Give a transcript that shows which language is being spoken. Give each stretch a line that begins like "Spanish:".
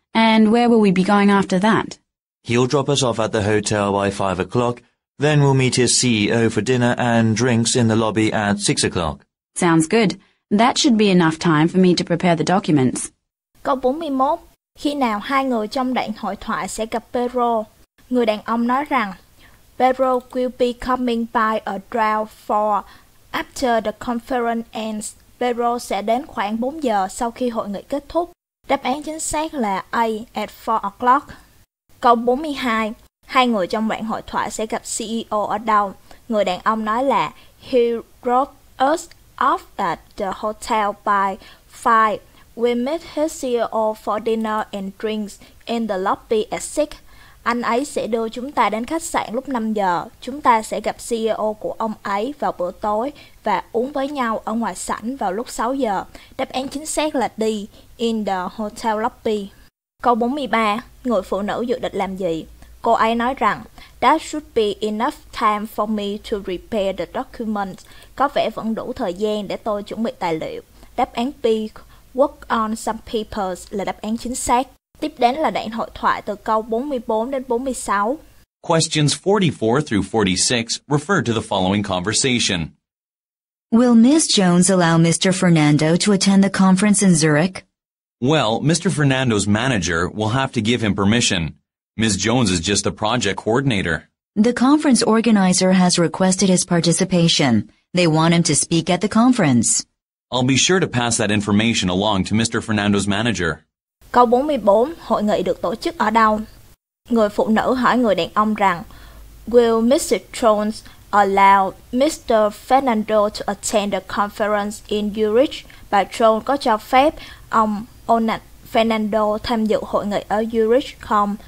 English: And where will we be going after that? He'll drop us off at the hotel by 5 o'clock, then we'll meet his CEO for dinner and drinks in the lobby at 6 o'clock. Sounds good. That should be enough time for me to prepare the documents.
Vietnamese: Câu 41. Khi nào hai người trong đoạn hội thoại sẽ gặp Pedro? Người đàn ông nói rằng,
English: Pedro will be coming by around 4 after the conference ends.
Vietnamese: Pedro sẽ đến khoảng 4 giờ sau khi hội nghị kết thúc. Đáp án chính xác là A,
English: at 4 o'clock.
Vietnamese: Câu 42. Hai người trong đoạn hội thoại sẽ gặp CEO ở đâu? Người đàn ông nói là
English: he drop us off at the hotel by 5. We meet his CEO for dinner and drinks in the lobby at 6.
Vietnamese: Anh ấy sẽ đưa chúng ta đến khách sạn lúc 5 giờ. Chúng ta sẽ gặp CEO của ông ấy vào bữa tối và uống với nhau ở ngoài sảnh vào lúc 6 giờ. Đáp án chính xác là D,
English: in the hotel lobby.
Vietnamese: Câu 43. Người phụ nữ dự định làm gì? Cô ấy nói rằng,
English: that should be enough time for me to prepare the documents.
Vietnamese: Có vẻ vẫn đủ thời gian để tôi chuẩn bị tài liệu. Đáp án B,
English: work on some papers
Vietnamese: là đáp án chính xác. Tiếp đến là đoạn hội thoại từ câu 44 đến 46.
English: Questions 44 through 46 refer to the following conversation. Will Ms. Jones allow Mr. Fernando to attend the conference in Zurich? Well, Mr. Fernando's manager will have to give him permission. Ms. Jones is just the project coordinator. The conference organizer has requested his participation. They want him to speak at the conference. I'll be sure to pass that information along to Mr. Fernando's manager.
Vietnamese: Câu 44. Hội nghị được tổ chức ở đâu? Người phụ nữ hỏi người đàn ông rằng,
English: will Mr. Jones allow Mr. Fernando to attend the conference in Zurich?
Vietnamese: Bà Jones có cho phép ông Fernando tham dự hội nghị ở Zurich không?